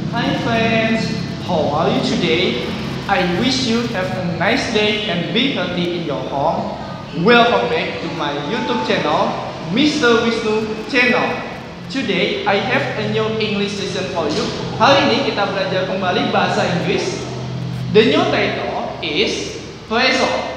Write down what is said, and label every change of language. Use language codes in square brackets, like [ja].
[en] Hi friends, how are you today? I wish you have a nice day and be healthy in your home. Welcome back to my YouTube channel, Mr. Wisnu Channel. Today I have a new English lesson for you. [id] Hari ini kita belajar kembali bahasa Inggris. [en] The new title is present.